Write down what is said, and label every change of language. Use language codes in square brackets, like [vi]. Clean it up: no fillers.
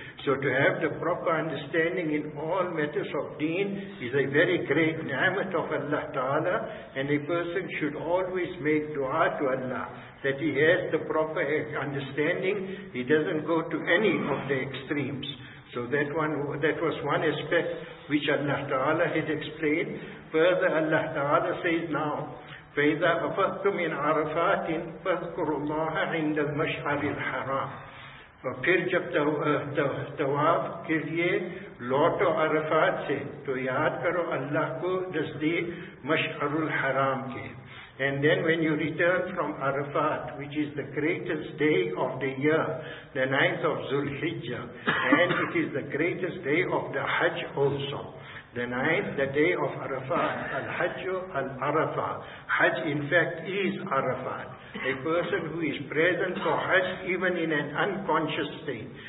[en] So to have the proper understanding in all matters of deen is a very great ni'mat of Allah Ta'ala, and a person should always make dua to Allah that he has the proper understanding, he doesn't go to any of the extremes. So that was one aspect which Allah Ta'ala has explained. Further, Allah Ta'ala says now, [ar] فَإِذَا أَفَضْتُمْ مِنْ عَرَفَاتٍ فَاذْكُرُوا اللَّهَ عِنْدَ الْمَشْعَرِ الْحَرَامِ. [ur] پھر جب تواف کے لیے لوٹو عرفات سے تو یاد کرو اللہ کو نزدیک مشعر الحرام کے. [en] And then when you return from Arafat, which is the greatest day of the year, the 9th of Zulhijjah, and it is the greatest day of the Hajj also. The 9th, the day of Arafat, Al-Hajj Al-Arafah. Hajj in fact is Arafat. A person who is present for Hajj even in an unconscious state.